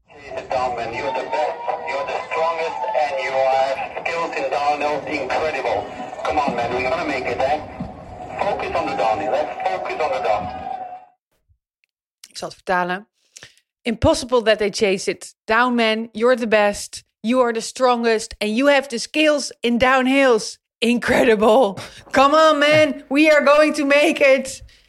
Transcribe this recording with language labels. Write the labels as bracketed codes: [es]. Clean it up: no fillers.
[en] You're the best, you're the strongest and your skills in downhill incredible. Come on man, we're gonna make it, eh? Focus on the downhill, let's focus on the downhill. [nl] Ik zal het vertalen. [en] Impossible that they chase it. Down man, you're the best. You are the strongest. And you have the skills in downhills. Incredible. Come on man, we are going to make it.